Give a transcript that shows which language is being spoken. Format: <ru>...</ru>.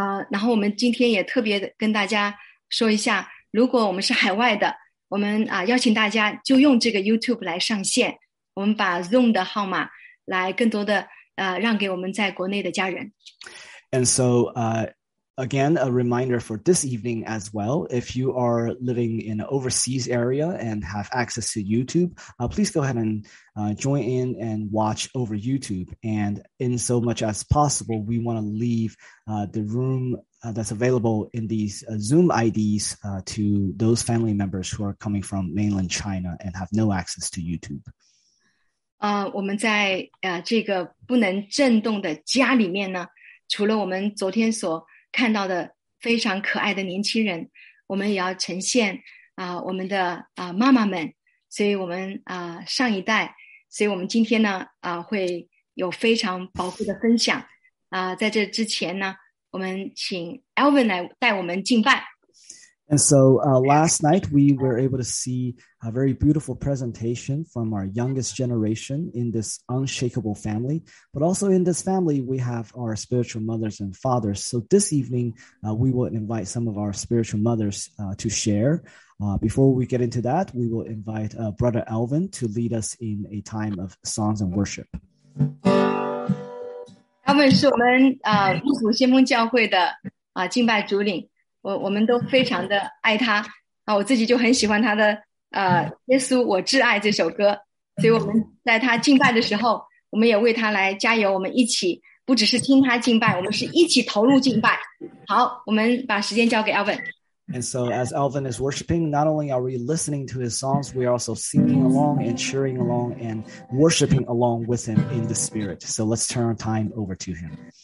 <zh>然后我们今天也特别跟大家说一下，如果我们是海外的，我们邀请大家就用这个 YouTube 来上线，我们把 Zoom 的号码来更多的让给我们在国内的家人。</zh> <en>And so, again, a reminder for this evening as well. If you are living in an overseas area and have access to YouTube, please go ahead and join in and watch over YouTube. And in so much as possible, we want to leave the room that's available in these Zoom IDs to those family members who are coming from mainland China and have no access to YouTube.</en> <zh>我们在这个不能震动的家里面呢，除了我们昨天所看到的非常可爱的年轻人，我们也要呈现我们的妈妈们，所以我们上一代，所以我们今天呢会有非常宝贵的分享在这之前呢，我们请 Elvin 来带我们敬拜。</zh> <en>And so last night, we were able to see a very beautiful presentation from our youngest generation in this unshakable family. But also in this family, we have our spiritual mothers and fathers. So this evening, we will invite some of our spiritual mothers to share. Before we get into that, we will invite Brother Alvin to lead us in a time of songs and worship.</en> <zh>他们是我们五祖先锋教会的敬拜主领，我们都非常的爱他我自己就很喜欢他的耶稣，我挚爱这首歌，所以我们在他敬拜的时候，我们也为他来加油，我们一起不只是听他敬拜，我们是一起投入敬拜。好，我们把时间交给 Alvin。</zh> <en>And so as Alvin is worshiping, not only are we listening to his songs, we are also singing along and cheering along and worshiping along with him in the spirit. So let's turn our time over to him.</en>